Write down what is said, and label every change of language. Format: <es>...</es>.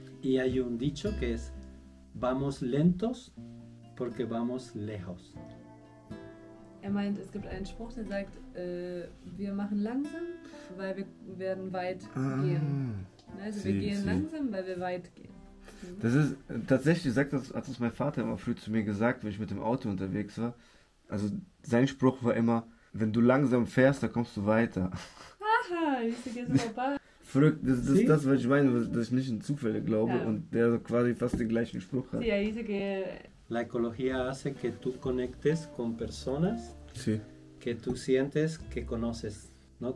<es>Y hay un dicho que es, vamos lentos porque vamos lejos.</es> <de>Er meint, es gibt einen Spruch, der sagt, wir machen langsam, weil wir werden weit gehen. Also sí, wir gehen langsam, weil wir weit gehen. Das ist tatsächlich, hat das mein Vater immer früh zu mir gesagt, wenn ich mit dem Auto unterwegs war. Also sein Spruch war immer, wenn du langsam fährst, dann kommst du weiter. Aha, ich vergesse mal. Verrückt, das ist das, was ich meine, dass ich nicht in Zufälle glaube und der quasi fast den gleichen Spruch hat. Ja,</de> <es>dice que la ecología hace que tú conectes con personas sí. que tú sientes que conoces, ¿no?</es>